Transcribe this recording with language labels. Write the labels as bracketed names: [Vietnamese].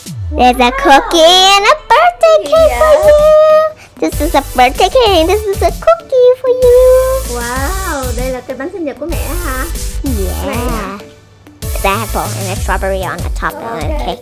[English] There's a cookie and a birthday cake for you. This is a birthday cake and this is a cookie for you. [Vietnamese] Wow, đây là cái bánh sinh nhật của mẹ hả? [English] Yeah. The apple and the strawberry on the top of the cake.